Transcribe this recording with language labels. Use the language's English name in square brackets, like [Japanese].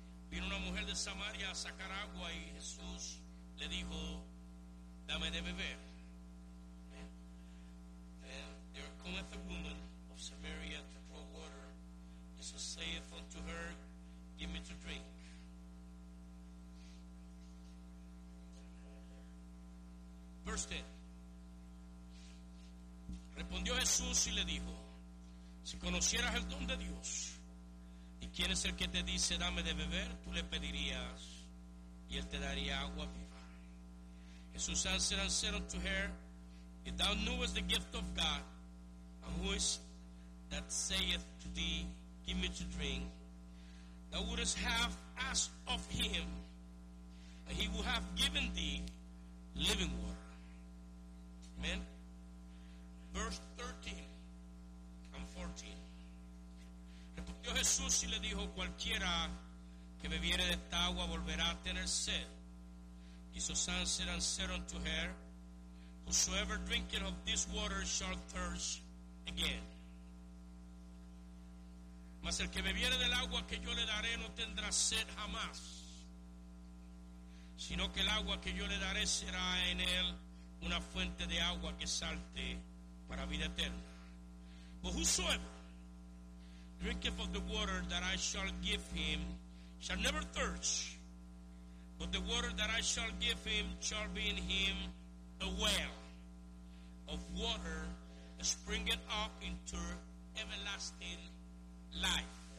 [Spanish] Vino una mujer de Samaria a sacar agua y Jesús le dijo, dame de beber. [English] There cometh a woman of Samaria to draw water. Jesus saith unto her, give me to drink. Verse 10. [Spanish] Respondió Jesús y le dijo, si conocieras el don de Dios y quién es el que te dice dame de beber, tú le pedirías y él te daría agua viva. [English] Jesús answered and said unto her, if thou knewest the gift of God, and who is that saith to thee, give me to drink, thou wouldest have asked of him, and he would have given thee living water. Amen. Verse 13 and 14. [Spanish] Respondió Jesús y le dijo, cualquiera que bebiere de esta agua volverá a tener sed. [English] Jesus answered and said unto her, whosoever drinketh of this water shall thirst again. [Spanish] Mas el que bebiere del agua que yo le daré no tendrá sed jamás, sino que el agua que yo le daré será en él una fuente de agua que salte para vida eterna. [English] But whosoever drinketh of the water that I shall give him shall never thirst, but the water that I shall give him shall be in him a well of water springing up into everlasting life.